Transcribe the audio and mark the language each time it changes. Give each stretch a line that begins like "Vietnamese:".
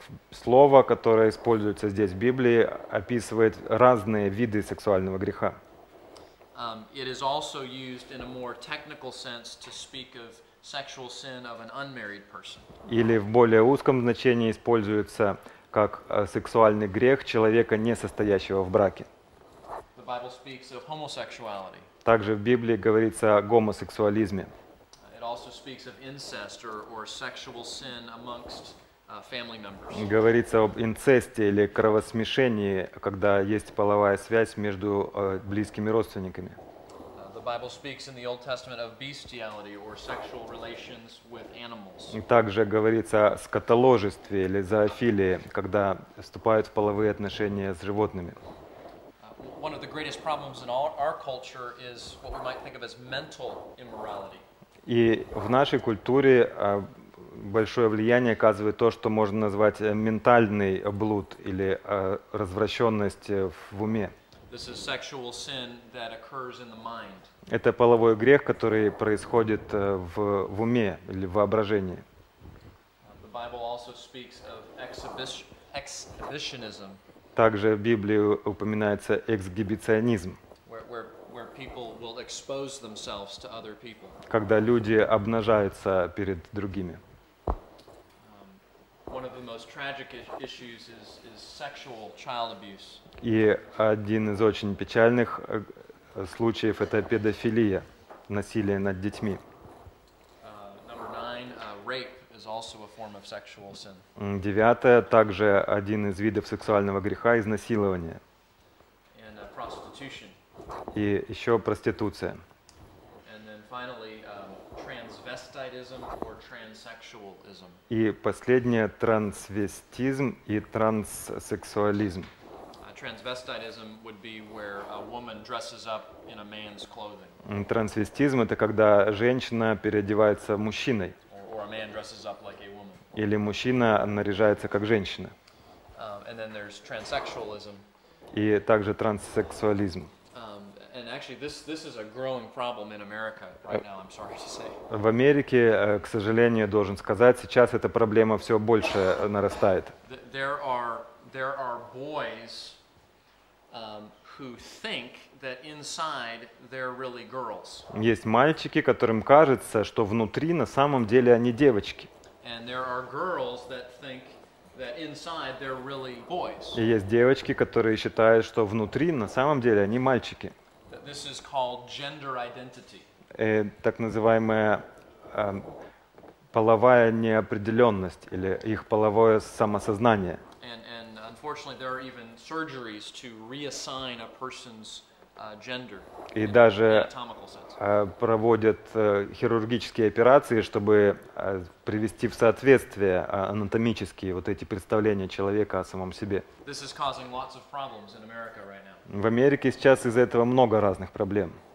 Russian: Слово, которое используется здесь в Библии, описывает разные виды сексуального греха.
English: It is also used in a more technical sense to speak of sexual sin of an unmarried person.
Russian: Или в более узком значении используется как сексуальный грех человека, не состоящего в браке.
English: The Bible speaks of homosexuality.
Russian: Также в Библии говорится о гомосексуализме.
English: It also speaks of incest or sexual sin amongst family members.
Russian: Говорится об инцесте или кровосмешении, когда есть половая связь между близкими родственниками.
English: The Bible speaks in the Old Testament of bestiality or sexual relations with animals.
Russian: И также говорится о скотоложестве или зоофилии, когда вступают в половые отношения с животными.
English: One of the greatest problems in our culture is what we might think of as mental immorality.
Russian: И в нашей культуре большое влияние оказывает то, что можно назвать ментальный блуд или развращенность в уме.
English: This is sexual sin that occurs in the mind.
Russian: Это половой грех, который происходит в уме или в воображении.
English: The Bible also speaks of exhibitionism.
Russian: Также в Библии упоминается эксгибиционизм.
English: Where people will expose themselves to other people.
Russian: Когда люди обнажаются перед другими.
English: One of the most tragic issues is sexual child abuse.
Russian: И один из очень печальных случаев это педофилия, насилие над детьми.
English: Number nine, rape is also a form of sexual sin.
Russian: Девятое также один из видов сексуального греха изнасилование.
English: And prostitution.
Russian: И еще проституция.
English: And then finally, transvestitism or transsexualism.
Russian: И последнее трансвестизм и транссексуализм.
English: Transvestitism would be where a woman dresses up in a man's clothing.
Russian: Трансвестизм это когда женщина переодевается мужчиной.
English: Or a man dresses up like a woman.
Russian: Или мужчина наряжается как женщина.
English: And then there's transsexualism.
Russian: И также транссексуализм.
English: And actually this is a growing problem in America right now, I'm sorry to say.
Russian: В Америке, к сожалению, должен сказать, сейчас эта проблема все больше нарастает.
English: There are boys who think that inside they're really girls.
Russian: Есть мальчики, которым кажется, что внутри на самом деле они девочки.
English: And there are girls that think that inside they're really boys.
Russian: И есть девочки, которые считают, что внутри на самом деле они мальчики.
English: This is called gender identity.
Russian: Так называемая половая неопределенность или их половое самосознание.
English: And unfortunately, there are even surgeries to reassign a person's gender.
Russian: И даже проводят хирургические операции, чтобы привести в соответствие анатомические вот эти представления человека о самом себе.
English: This is causing lots of problems in America right now.
Russian: В Америке сейчас из-за этого много разных проблем.